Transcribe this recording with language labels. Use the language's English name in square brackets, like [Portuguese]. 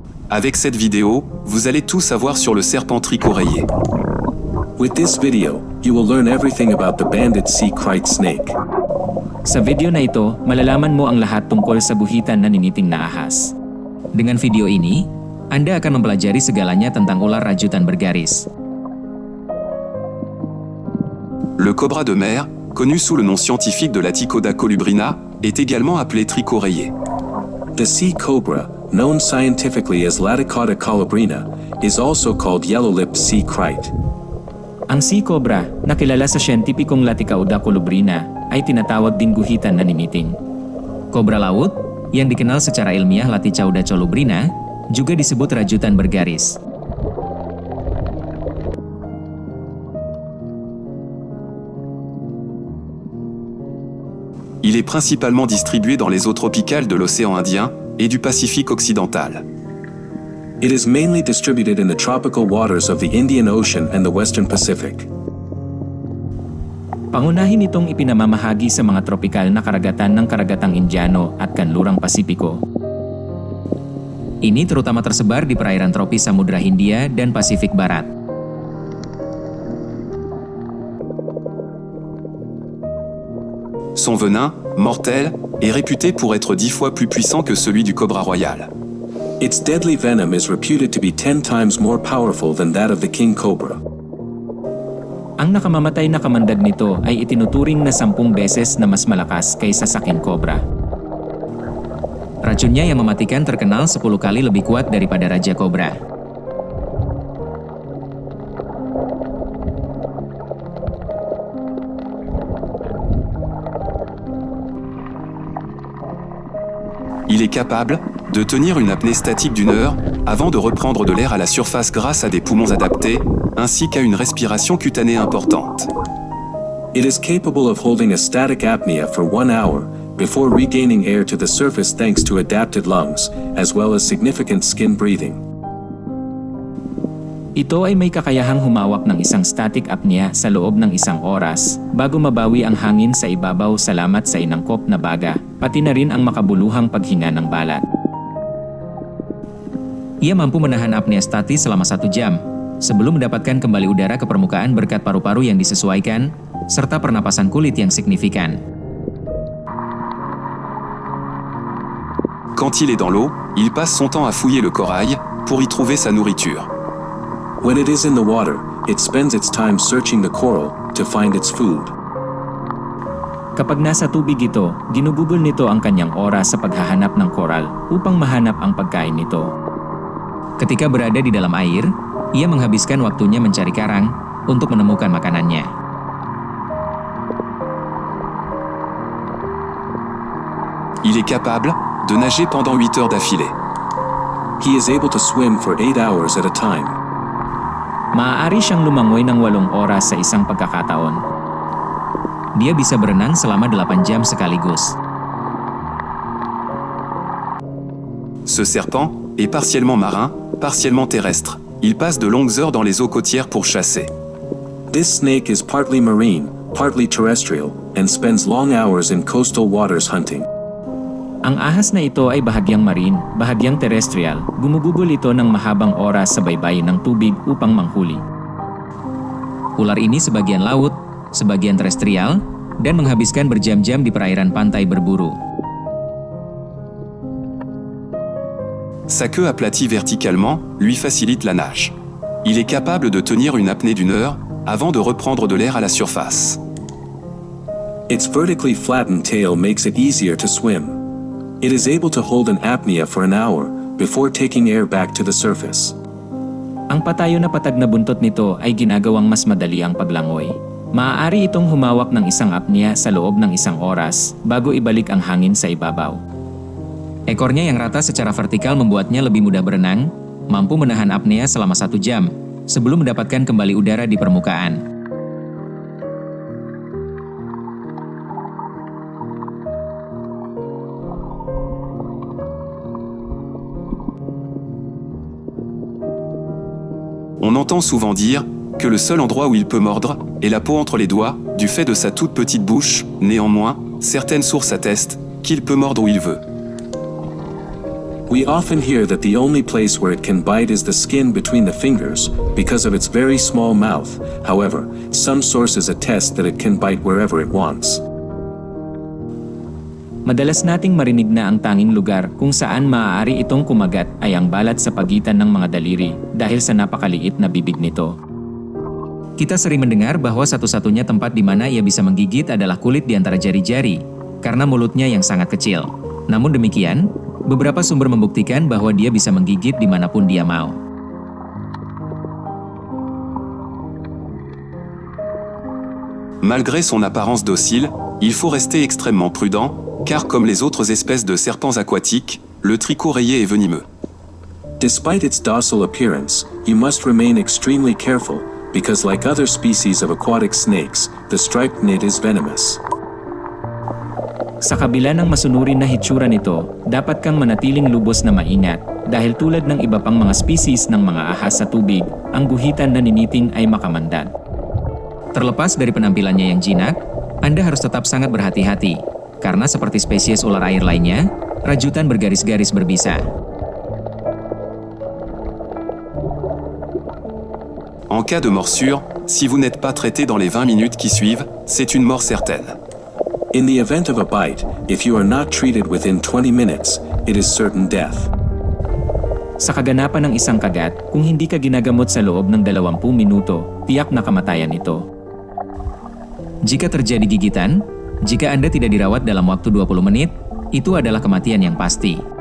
[French] Avec cette vidéo, vous allez tout savoir sur le serpent tricot rayé. [English] With this video, you will learn everything about the banded sea krait snake. [Filipino] Sa video na ito, malalaman mo ang lahat tungkol sa buhitan na niniting na ahas. [Indonesian] Dengan video ini, Anda akan mempelajari segalanya tentang ular rajutan bergaris. [French] Le cobra de mer, connu sous le nom scientifique de Laticauda colubrina, est également appelé tricot rayé. [English] The sea cobra, known scientifically as Laticauda colubrina, is also called yellow-lipped sea krait. [Filipino] Ang sea cobra, na kilala sa siyentipikong Laticauda colubrina, ay tinatawag din guhitan na nimiting. [Indonesian] Cobra laut, yang dikenal secara ilmiah Laticauda colubrina, juga disebut rajutan bergaris. [French] Il est principalement distribué dans les eaux tropicales de l'océan Indien et du Pacifique occidental. [English] It is mainly distributed in the tropical waters of the Indian Ocean and the Western Pacific. [Filipino] Pangunahin itong ipinamamahagi sa mga tropikal na karagatan ng karagatang Indiano at kanlurang Pasipiko. [Indonesian] Ini terutama tersebar di perairan tropis Samudra Hindia dan Pasifik Barat. [French] Son venin, mortel, est réputé pour être 10 fois plus puissant que celui du cobra royal. [English] Its deadly venom is reputed to be 10 times more powerful than that of the king cobra. [Filipino] Ang nakamamatay na kamandag nito ay itinuturing na 10 beses na mas malakas kaysa sa king cobra. [Indonesian] Racunnya yang mematikan terkenal 10 kali lebih kuat daripada raja cobra. [French] Il est capable de tenir une apnée statique d'une heure avant de reprendre de l'air à la surface grâce à des poumons adaptés ainsi qu'à une respiration cutanée importante. [English] It is capable of holding a static apnea for 1 hour before regaining air to the surface thanks to adapted lungs as well as significant skin breathing. [Filipino] Ito ay may kakayahang humawak ng isang static apnea sa loob ng isang oras bago mabawi ang hangin sa ibabaw salamat sa inangkop na baga, pati na rin ang makabuluhang paghinga ng balat. [Indonesian] Ia mampu menahan apnea statis selama 1 jam sebelum mendapatkan kembali udara ke permukaan berkat paru-paru yang disesuaikan serta pernapasan kulit yang signifikan. [French] Quand il est dans l'eau, il passe son temps à fouiller le corail pour y trouver sa nourriture. [English] When it is in the water, it spends its time searching the coral to find its food. [Filipino] Kapag nasa tubig ito, ginugugol nito ang kanyang oras sa paghahanap ng coral upang mahanap ang pagkain nito. [Indonesian] Ketika berada di dalam air, ia menghabiskan waktunya mencari karang untuk menemukan makanannya. [French] Il est capable de nager pendant 8 heures d'affilée. [English] He is able to swim for 8 hours at a time. [Filipino] Maaari siyang lumangoy ng 8 oras sa isang pagkakataon. [Indonesian] Dia bisa berenang selama 8 jam sekaligus. [French] Ce serpent est partiellement marin, partiellement terrestre. Il passe de longues heures dans les eaux côtières pour chasser. [English] This snake is partly marine, partly terrestrial, and spends long hours in coastal waters hunting. [Filipino] Ang ahas na ito ay bahagyang marine, bahagyang terrestrial. Gumugugol ito ng mahabang oras sa baybayin ng tubig upang manghuli. [Indonesian] Ular ini sebagian laut, sebagian terrestrial, dan menghabiskan berjam-jam di perairan pantai berburu. [French] Sa queue aplatie verticalement lui facilite la nage. Il est capable de tenir une apnée d'une heure avant de reprendre de l'air à la surface. [English] Its vertically flattened tail makes it easier to swim. It is able to hold an apnea for an hour before taking air back to the surface. [Filipino] Ang patayo na patag na buntot nito ay ginagawang mas madali ang paglangoy. Maaari itong humawak ng isang apnea sa loob ng 1 oras bago ibalik ang hangin sa ibabaw. [Indonesian] Ekornya yang rata secara vertikal membuatnya lebih mudah berenang, mampu menahan apnea selama 1 jam sebelum mendapatkan kembali udara di permukaan. [French] On entend souvent dire que le seul endroit où il peut mordre est la peau entre les doigts, du fait de sa toute petite bouche. Néanmoins, certaines sources attestent qu'il peut mordre où il veut. [English] We often hear that the only place where it can bite is the skin between the fingers, because of its very small mouth. However, some sources attest that it can bite wherever it wants. [Filipino] Madalas nating marinig na ang tanging lugar kung saan maaari itong kumagat ay ang balat sa pagitan ng mga daliri dahil sa napakaliit na bibig nito. [Indonesian] Kita sering mendengar bahwa satu-satunya tempat di mana ia bisa menggigit adalah kulit di antara jari-jari, karena mulutnya yang sangat kecil. Namun demikian, beberapa sumber membuktikan bahwa dia bisa menggigit dimanapun dia mau. [French] Malgré son apparence docile, il faut rester extrêmement prudent, car comme les autres espèces de serpents aquatiques, le tricot rayé est venimeux. [English] Despite its docile appearance, you must remain extremely careful, because like other species of aquatic snakes, the striped gnat is venomous. [Filipino] Sa kabila ng masunurin na hitsura nito, dapat kang manatiling lubos na maingat, dahil tulad ng iba pang mga species ng mga ahas sa tubig, ang guhitan na niniting ay makamandat. [Indonesian] Terlepas dari penampilannya yang jinak, Anda harus tetap sangat berhati-hati, karena seperti spesies ular air lainnya, rajutan bergaris-garis berbisa. [French] En cas de morsure, si vous n'êtes pas traité dans les 20 minutes qui suivent, c'est une mort certaine. [English] In the event of a bite, if you are not treated within 20 minutes, it is certain death. [Filipino] Sa kaganapan ng isang kagat, kung hindi ka ginagamot sa loob ng 20 minuto, tiyak na kamatayan ito. [Indonesian] Jika terjadi gigitan, jika Anda tidak dirawat dalam waktu 20 menit, itu adalah kematian yang pasti.